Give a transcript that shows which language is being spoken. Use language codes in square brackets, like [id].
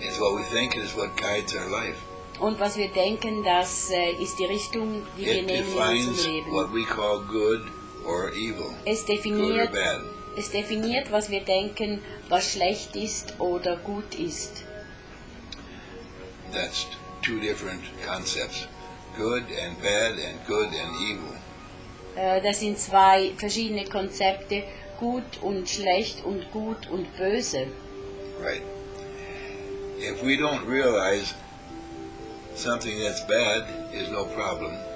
[en] It's what we think is what guides our life. [de] Und was wir denken, das ist die Richtung, die wir nehmen in unserem Leben. [en] What we call good or evil. [de] Es definiert, was wir denken, was schlecht ist oder gut ist. [en] That's two different concepts. Good and bad and good and evil. [de] Das sind zwei verschiedene Konzepte, gut und schlecht und gut und böse. [en] Right. If we don't realize something that's bad is no problem.